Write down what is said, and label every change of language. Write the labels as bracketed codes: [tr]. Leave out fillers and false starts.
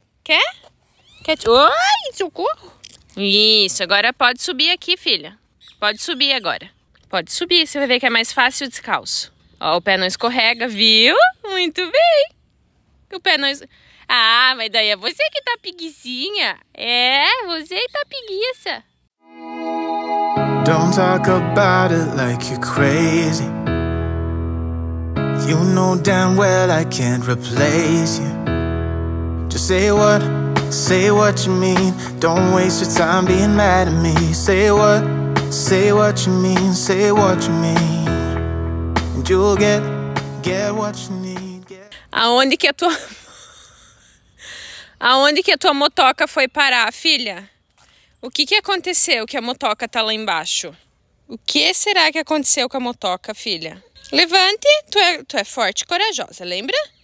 [pt] Quer? Quer te... Ai, socorro. Isso. Agora pode subir aqui, filha. Pode subir agora. Pode subir. Você vai ver que é mais fácil descalço. Ó, o pé não escorrega, viu? Muito bem. O pé não escorrega. Ah, mas daí é você que tá preguiçinha. É, você que tá preguiça. [en] Don't talk about it like you're crazy. You know damn well I can't replace you. Just say what you mean. Don't waste your time being mad at me. Say what you mean, say what you mean. And you'll get what you need. [pt] Get... Aonde que a tua. Aonde que a tua motoca foi parar, filha? O que que aconteceu que a motoca tá lá embaixo? O que será que aconteceu com a motoca, filha? Levante, tu é forte e corajosa, lembra?